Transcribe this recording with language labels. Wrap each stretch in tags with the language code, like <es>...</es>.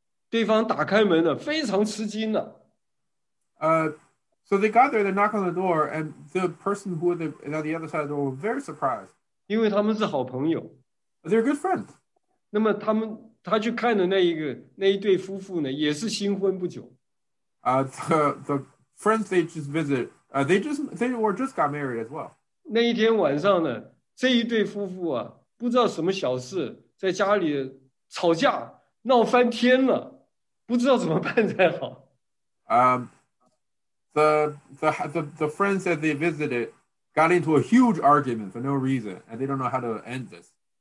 <zh>到了那边呢,他们敲了门,对方打开门了,非常吃惊了。</zh> <en>So they got there, they knocked on the door, and the person who was on the other side of the door was very surprised.</en> <zh>因为他们是好朋友。</zh> <en>They're good friends.</en> <zh>那么他去看的那一对夫妇呢,也是新婚不久。</zh> <en>The friends they just visited, they just got married as well.</en> <zh>那一天晚上呢,这一对夫妇啊,不知道什么小事,在家里吵架,闹翻天了,不知道怎么办才好。</zh> <en>The friends that they visited got into a huge argument for no reason, and they don't know how to end this.</en>